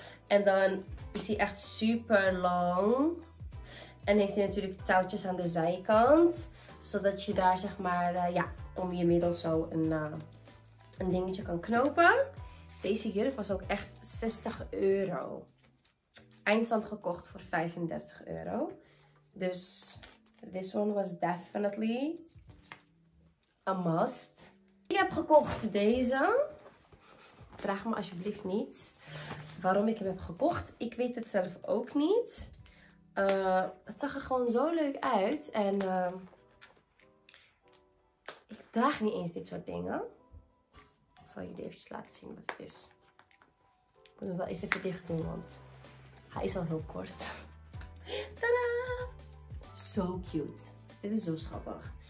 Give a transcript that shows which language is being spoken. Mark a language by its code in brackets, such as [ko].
[nl] En dan is hij echt super lang. En heeft hij natuurlijk touwtjes aan de zijkant. Zodat je daar zeg maar, om je middel zo een dingetje kan knopen. Deze jurk was ook echt 60 euro. Eindstand gekocht voor 35 euro. [en] Dus this one was definitely a must. [nl] Ik heb gekocht deze. Vraag me alsjeblieft niet waarom ik hem heb gekocht. Ik weet het zelf ook niet. Het zag er gewoon zo leuk uit. En ik draag niet eens dit soort dingen. Ik zal jullie even laten zien wat het is. Ik moet hem wel eens even dicht doen, want hij is al heel kort. Tadaa! Zo cute. Dit is zo schattig.